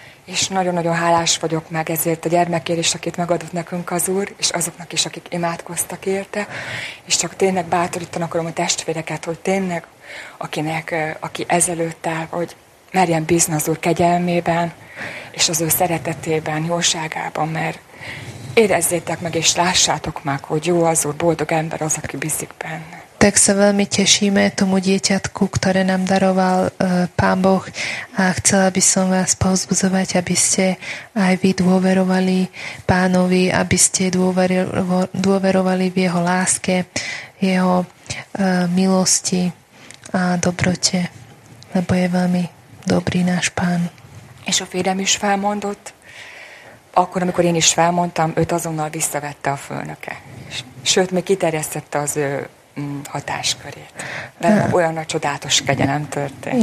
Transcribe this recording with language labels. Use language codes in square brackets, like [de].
[hu] És nagyon-nagyon hálás vagyok meg ezért a gyermekért is, akit megadott nekünk az Úr, és azoknak is, akik imádkoztak érte, és csak tényleg bátorítan akarom a testvéreket, hogy tényleg, akinek, aki ezelőtt áll, hogy merjen bízni az Úr kegyelmében, és az ő szeretetében, jóságában, mert érezzétek meg, és lássátok meg, hogy jó az Úr, boldog ember az, aki bízik benne. [sk] Tak sa veľmi tešíme tomu dieťatku, ktoré nám daroval Pán Boh a chcela by som vás povzbudzovať, aby ste aj vy dôverovali Pánovi, aby ste dôverovali v jeho láske, jeho milosti a dobrote, lebo je veľmi dobrý náš Pán. [hu] És a férjem is felmondott, akkor, amikor én is felmondtam, őt azonnal visszavette a főnöke. Sőt, még kiterjesztette az ő hatáskörét. De olyan a csodálatos kegyelem történt.